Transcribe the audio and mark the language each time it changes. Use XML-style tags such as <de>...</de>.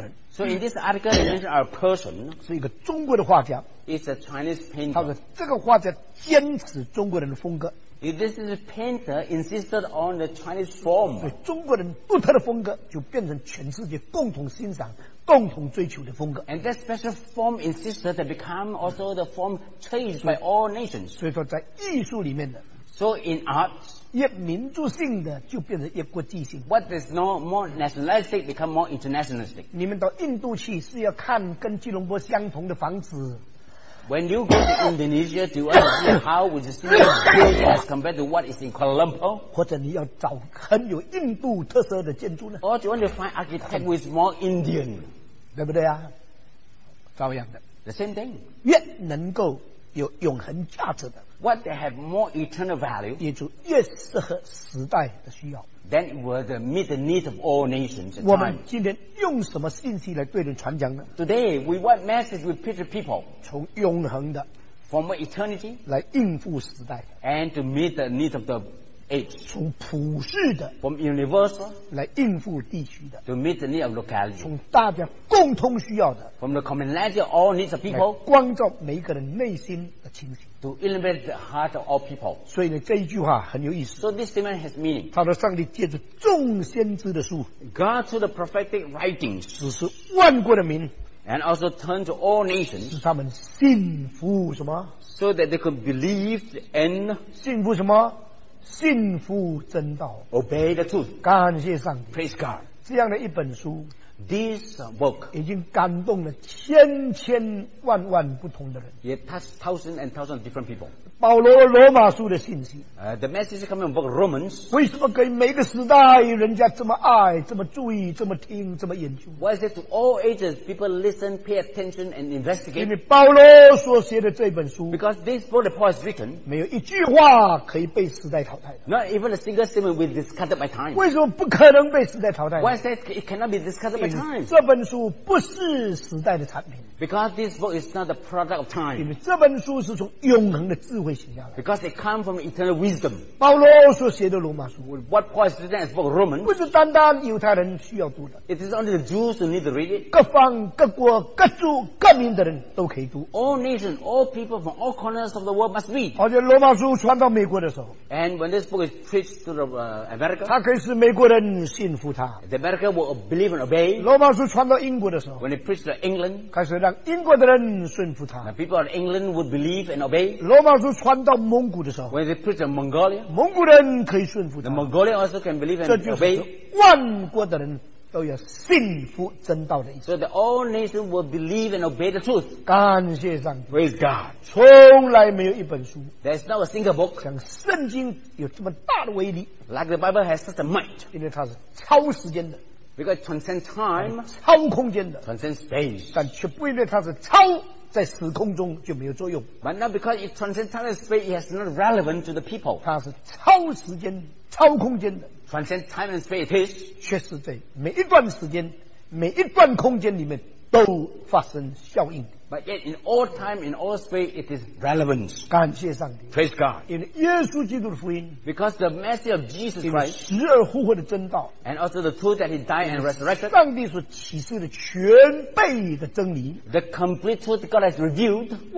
<en>So in this article, it mentions a person,</en> <zh>是一个中国的画家,</zh> <en>it's a Chinese painter.</en> <zh>他说这个画家坚持中国人的风格,</zh> <en>if this is a painter insisted on the Chinese form,</en> <zh>对中国人独特的风格就变成全世界共同欣赏, 共同追求的风格,</zh> <en>and that special form insisted to become also the form chased by all nations.</en> <zh>所以说在艺术里面的,</zh> <en>so in art,</en> <zh>越民族性的就变成越国际性,</zh> <en>what is no more nationalistic become more internationalistic.</en> <zh>你们到印度去是要看跟吉隆坡相同的房子,</zh> <en>when you go to Indonesia, do you want to see how would you see it as compared to what is in Kuala Lumpur?</en> <zh>或者你要找很有印度特色的建筑呢?</zh> <en>Or do you want to find architect who is more Indian?</en> <zh>对不对啊?照样的,</zh> <en>the same thing.</en> <zh>越能够有永恒价值的,</zh> <en>what they have more eternal value,</en> <zh>也就越适合时代的需要,</zh> <en>then it will meet the needs of all nations.</en> <zh>我们今天用什么信息来对人传讲呢?</zh> <en>Today, we what message we preach to people?</en> <zh>从永恒的,</zh> <en>from eternity,</en> <zh>来应付时代,</zh> <en>and to meet the needs of the age.</en> <zh>从普世的,</zh> <en>from universal,</en> <zh>来应付地区的,</zh> <en>to meet the needs of locality.</en> <zh>从大家共通需要的,</zh> <en>from the commonality of all needs of people,</en> <zh>来光照每一个人内心的情形,</zh> <en>to illuminate the heart of all people.</en> <zh>所以呢,这一句话很有意思,</zh> <en>so this statement has meaning.</en> <zh>他说上帝借着众先知的书,</zh> <en>God through the prophetic writings,</en> <zh>只是万国的民,</zh> <en>and also turn to all nations,</en> <zh>使他们信服什么?</zh> <en>So that they could believe and</en> <zh>信服什么?信服真道,</zh> <en>obey the truth.</en> <zh>感谢上帝,</zh> <en>praise God.</en> <zh>这样的一本书,</zh> <en>this book</en> <zh>已经感动了千千万万不同的人,</zh> <en>it touched thousands and thousands of different people.</en> <zh>保罗罗马书的信息,</zh> <en>the message coming from Romans,</en> <zh>为什么可以每个时代人家这么爱, 这么注意, 这么听, 这么研究?</zh> <en>Why is it to all ages people listen, pay attention and investigate?</en> <zh>因为保罗所写的这本书,</zh> <en>because this book that Paul has written,</en> <zh>没有一句话可以被时代淘汰的,</zh> <en>not even a single statement will be discarded by time.</en> <zh>为什么不可能被时代淘汰?</zh> <en>Why is it, it cannot be discarded by time?</en> <zh>这本书不是时代的产品,</zh> <en>because this book is not the product of time.</en> <zh>因为这本书是从永恒的智慧,</zh> <en>because it comes from eternal wisdom.</en> <zh>保罗所写的罗马书,</zh> <en>what Paul is written as book of Romans,</en> <zh>不是单单犹太人需要读的,</zh> <en>it is only the Jews who need to read it.</en> <zh>各方各国各族各民的人都可以读,</zh> <en>all nations, all people from all corners of the world must read.</en> <zh>而且罗马书传到美国的时候,</zh> <en>and when this book is preached to the, America,</en> <zh>它可以使美国人信服它,</zh> <en>the America will believe and obey.</en> <zh>罗马书传到英国的时候,</zh> <en>when it preached to England,</en> <zh>开始让英国的人信服它,</zh> <en>the people of England would believe and obey.</en> <zh>罗马书传到蒙古的时候,</zh> <en>when they preach in Mongolia,</en> <zh>蒙古人可以顺服他,</zh> <en>the Mongolian also can believe and obey.</en> <zh>万国的人都要信服真道的意思,</zh> <en>so that all nations will believe and obey the truth.</en> <zh>感谢上帝,</zh> <en>praise God.</en> <zh>从来没有一本书,</zh> <en>there's not a single book,</en> <zh>像圣经有这么大的威力,</zh> <en>like the Bible has such a might,</en> <zh>因为它是超时间的,</zh> <en>because it transcends time,</en> <zh>超空间的,</zh> <en>transcends space,</en> <zh>但却不因为它是超, 在时空中就没有作用,</zh> <en>but not because it transcends time and space, it has not relevant to the people.</en> <zh>它是超时间, 超空间的,</zh> <en>transcends time and space, it is,</en> <zh>却是在每一段时间, 每一段空间里面都发生效应,</zh> <en>but yet in all time, in all space, it is relevant.</en> <zh>感谢上帝,</zh> <en>praise God.</en> <zh>因为耶稣基督的福音,</zh> <en>because the message of Jesus Christ,</en> <zh>因为十二复活的真道,</zh> <en>and also the truth that he died and resurrected,</en> <zh>上帝所启示的全备的真理, the complete truth God has revealed,</zh>